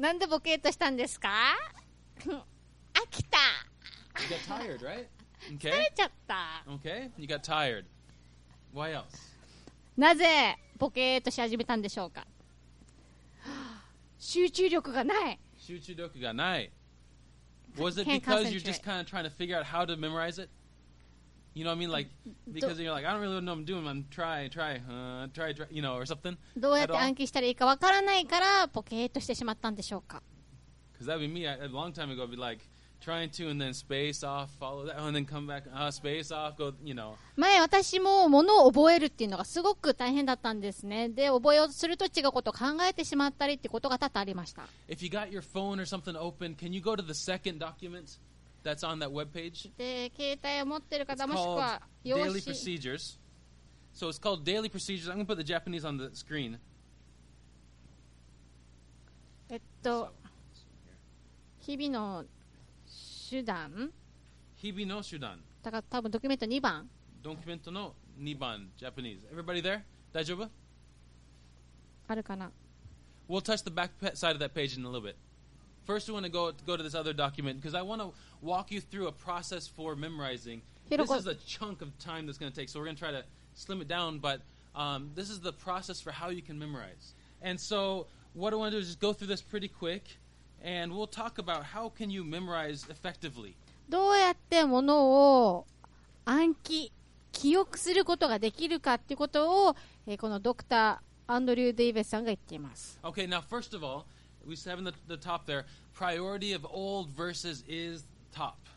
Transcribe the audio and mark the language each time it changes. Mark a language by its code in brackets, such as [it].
[ja] なんでボケーとしたんですか? 飽きた。 [en] You got tired, right? [ja] Okay. 疲れちゃった。 [en] Okay, you got tired. Why else? [ja] なぜボケーとし始めたんでしょうか? 集中力がない。集中力がない。 [en] Was it because you're just kind of trying to figure out how to memorize it? You know what I mean? Like, because you're like, I don't really know what I'm doing. I'm try, you know, or something. [ja] どうやって暗記したらいいかわからないからポケーとしてしまったんでしょうか? [en] Because that would be me. A long time ago, I'd be like, trying to and then space off, follow that, and then come back, space off, go, you know. [ja] 前私も物を覚えるっていうのがすごく大変だったんですね。で、覚えをすると違うことを考えてしまったりってことが多々ありました。 [en] If you got your phone or something open, can you go to the second document that's on that webpage? [ja] で、携帯を持ってる方もしくは [en] 用紙。It's called Daily Procedures. So it's called Daily Procedures. I'm going to put the Japanese on the screen. [ja] So, 日々の手段日々の手段だから多分ドキュメント2番ドキュメントの2番 [en] Japanese Everybody there? [ja] 大丈夫あるかな [en] We'll touch the back side of that page in a little bit First we want to go to this other document because I want to walk you through a process for memorizing This is a chunk of time that's going to take so we're going to try to slim it down but this is the process for how you can memorize And so what I want to do is just go through this pretty quickAnd we'll talk about how can you memorize effectively. [ja] どうやってものを暗記、記憶することができるかっていうことを、このドクター・アンドリュー・デイベスさんが言っています。 [en] Okay, now first of all, we have in the top there, priority of old verses is top.